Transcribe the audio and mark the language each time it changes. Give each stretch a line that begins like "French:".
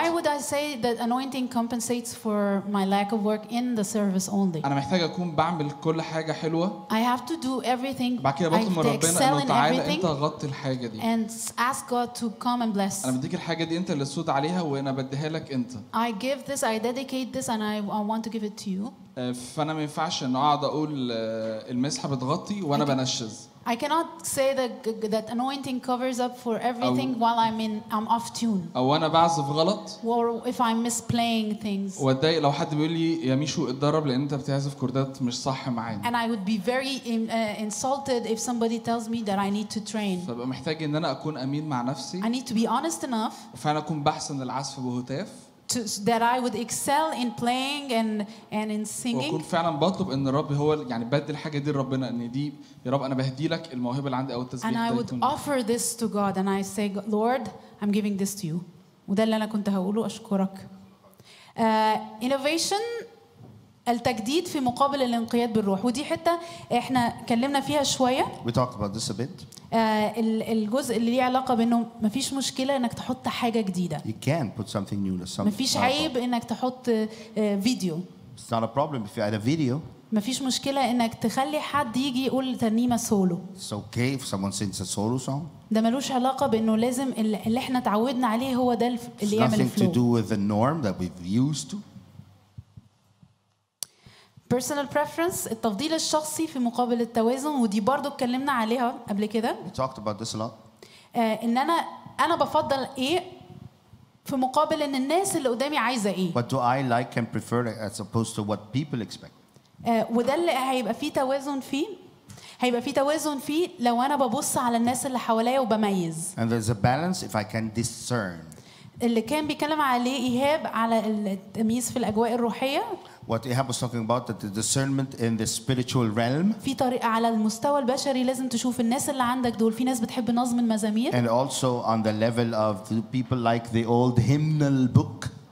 English: Why would I say that anointing compensates for my lack of work in the service only?
Arabic: انا محتاج اكون بعمل كل حاجه حلوه.
English: I have to do everything.
Arabic: بعد كده بطلب من ربنا انه تعالى انت غطي الحاجه دي.
English: And ask God to come and bless.
Arabic: انا بديك الحاجه دي انت اللي تسود عليها وانا بديها لك انت.
English: I give this, I dedicate this and I want to give it to you.
Arabic: فانا ما ينفعش ان اقعد اقول المسحه بتغطي وانا بنشز.
English: I cannot say that anointing covers up for everything while I'm off tune.
Arabic: أو أنا بعزف غلط.
English: Or if I'm misplaying things.
Arabic: وأتضايق لو حد بيقول لي يا ميشو اتدرب لأن أنت بتعزف كوردات مش صح معايا.
English: And I would be very insulted if somebody tells me that I need to train.
Arabic: فببقى محتاج إن أنا أكون أمين مع نفسي.
English: I need to be honest enough.
Arabic: فأنا أكون بحسن العزف بهتاف.
English: That I would excel in playing and in singing.
Arabic: وأكون فعلا بطلب إن الرب هو يعني بدي الحاجة دي ربنا إن دي يا رب أنا بهدي لك الموهبة اللي عندي أو التسبيح.
English: And I would offer this to God and I say, Lord, I'm giving this to you.
Arabic: وده اللي أنا كنت هقوله أشكرك. Innovation, التجديد في مقابل الانقياد بالروح. ودي حتة إحنا كلمنا فيها شوية.
English: We talked about this a bit.
Arabic: الجزء اللي ليه علاقة بأنه ما فيش مشكلة أنك تحط حاجة جديدة.
English: You can put something new to something.
Arabic: ما فيش عيب أنك تحط فيديو.
English: It's not a problem if you add a video.
Arabic: ما فيش مشكلة أنك تخلي حد يجي يقول ترنيمة سولو.
English: It's okay if someone sings a solo song.
Arabic: ده ملوش علاقة بأنه لازم اللي إحنا تعودنا عليه هو ده اللي يعمل الفلو.
English: It's nothing to do with the norm that we've used to. Personal preference,
Arabic: التفضيل الشخصي في مقابل التوازن ودي برضو اتكلمنا عليها قبل كده.
English: We talked about this a lot.
Arabic: إن أنا بفضل إيه في مقابل إن الناس اللي قدامي عايزة إيه.
English: What do I like and prefer as opposed to what people expect?
Arabic: وده اللي هيبقى فيه توازن فيه. هيبقى فيه توازن فيه لو أنا ببص على الناس اللي حواليا وبميز.
English: And there's a balance if I can discern.
Arabic: اللي كان بيكلم عليه إيهاب على التمييز في الأجواء الروحية.
English: What Ahab was talking about, that the discernment in the spiritual realm.
Arabic: في طريقة على المستوى البشري لازم تشوف الناس اللي عندك دول. في ناس بتحب نظم المزامير.
English: And also on the level of the people like the old hymnal book.